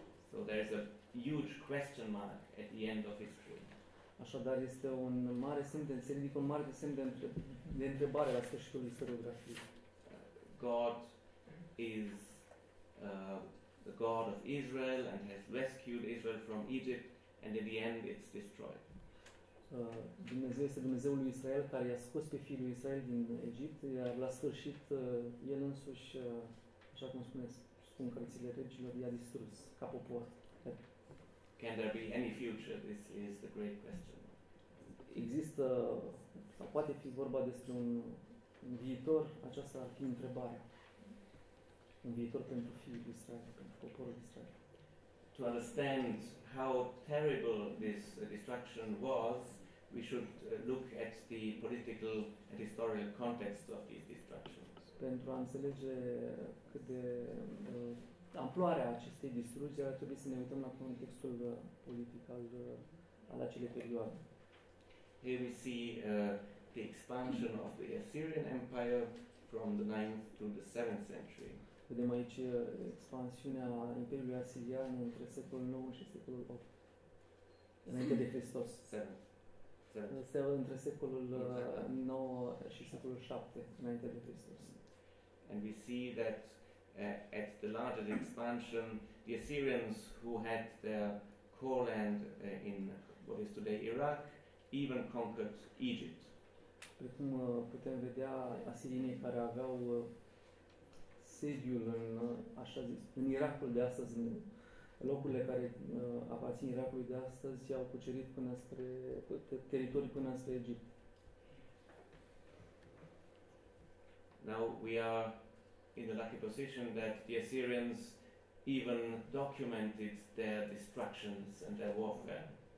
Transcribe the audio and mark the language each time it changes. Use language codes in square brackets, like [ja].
[en] So there is a huge question mark at the end of history. [ro] Așadar, este un mare semn de înțeleg, un mare semn de întrebare la sfârșitul istoriografiei. [en] God is the God of Israel and has rescued Israel from Egypt, and in the end it's destroyed. [ro] Dumnezeu este Dumnezeul lui Israel care i-a scos pe fiul lui Israel din Egipt, iar la sfârșit el însuși, așa cum spun cărțile regilor, i-a distrus ca popor. [en] Can there be any future? This is the great question. [ro] Există sau poate fi vorba despre un viitor? Aceasta ar fi întrebarea. Un viitor pentru fiul lui Israel, pentru poporul Israel. [en] To understand how terrible this destruction was, we should look at the political and historical context of these destructions. [ro] Pentru a înțelege cât de amploarea acestei distrugeri, ar trebui să ne uităm la contextul politic al acelei perioade. [en] Here we see the expansion of the Assyrian Empire from the 9th to the 7th century. [ro] Vedem aici expansiunea Imperiului Asirian între secolul 9 și secolul 8, înainte de Hristos. [en] 7. [ro] Între secolul 9 și secolul 7, înainte de Hristos. [en] And we see that at the largest expansion, the Assyrians who had their core land in what is today Iraq, even conquered Egypt. [ro] Precum putem vedea, asirienii care aveau sediul în, așa zis, în Irakul de astăzi, în locurile care aparțin Irakului de astăzi, i-au cucerit până spre teritoriul până spre Egipt. [en] Now we are in the lucky position that the Assyrians even documented their destructions and their warfare.